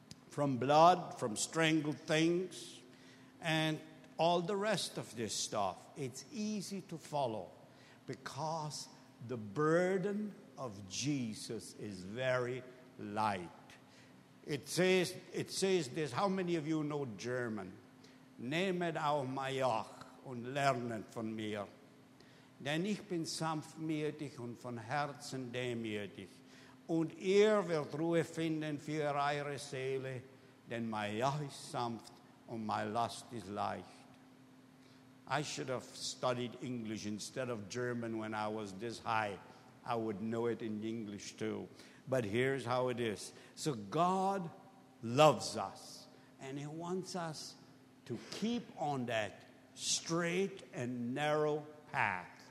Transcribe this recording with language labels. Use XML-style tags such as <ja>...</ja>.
<en>From blood, from strangled things, and all the rest of this stuff. It's easy to follow. Because the burden of Jesus is very light. It says this. How many of you know German?</en> <de>Nehmet auf mich und lernet von mir. Denn ich bin sanftmütig und von Herzen demütig. Und ihr werdet Ruhe finden für eure Seele. Denn mein Joch ist sanft und meine Last ist leicht.</de> <en>I should have studied English instead of German when I was this high. I would know it in English too. But here's how it is. So God loves us, and he wants us to keep on that straight and narrow path.</en>